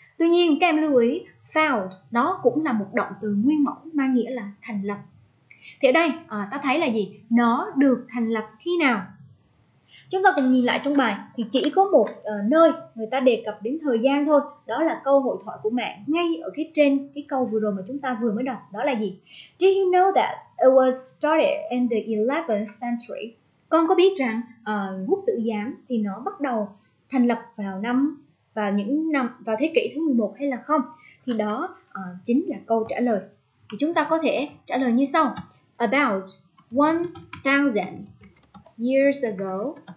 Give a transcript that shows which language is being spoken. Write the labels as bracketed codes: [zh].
[vi] Tuy nhiên các em lưu ý, found nó cũng là một động từ nguyên mẫu mang nghĩa là thành lập. Thì ở đây ta thấy là gì? Nó được thành lập khi nào? Chúng ta cùng nhìn lại trong bài thì chỉ có một nơi người ta đề cập đến thời gian thôi. Đó là câu hội thoại của mẹ ngay ở phía trên cái câu vừa rồi mà chúng ta vừa mới đọc. Đó là gì? [en] Do you know that it was started in the 11th century? [vi] Con có biết rằng quốc tử giám thì nó bắt đầu thành lập vào thế kỷ thứ 11 hay là không? Thì đó chính là câu trả lời. Thì chúng ta có thể trả lời như sau. [en] About 1000 years ago.